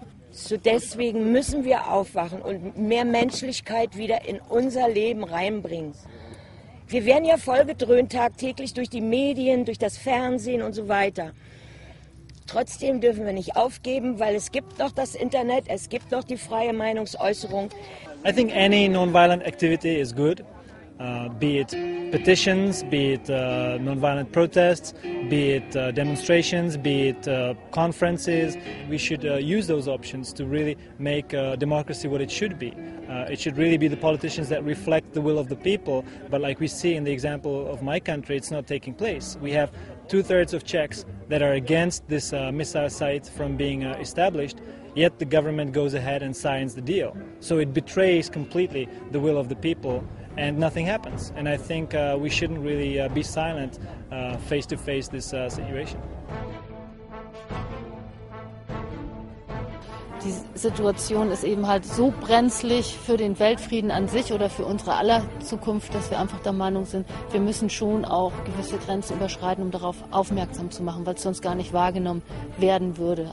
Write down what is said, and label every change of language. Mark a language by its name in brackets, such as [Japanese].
[German] So deswegen müssen wir aufwachen und mehr Menschlichkeit wieder in unser Leben reinbringen. Wir werden ja vollgedröhnt tagtäglich durch die Medien, durch das Fernsehen und so weiter. Trotzdem dürfen wir nicht aufgeben, weil es gibt noch das Internet, es gibt noch die freie Meinungsäußerung. [English] I think any non-violent activity is good. Be it petitions, be it non-violent protests, be it demonstrations, be it conferences. We should use those options to really make democracy what it should be. It should really be the politicians that reflect the will of the people, but like we see in the example of my country, it's not taking place. We have 2/3 of Czechs that are against this missile site from being established, yet the government goes ahead and signs the deal. So it betrays completely the will of the people. And nothing happens. And I think we shouldn't really be silent face to face this situation. [German] Die Situation ist eben halt so brenzlig für den Weltfrieden an sich oder für unsere aller Zukunft, dass wir einfach der Meinung sind, wir müssen schon auch gewisse Grenzen überschreiten, um darauf aufmerksam zu machen, weil es sonst gar nicht wahrgenommen werden würde.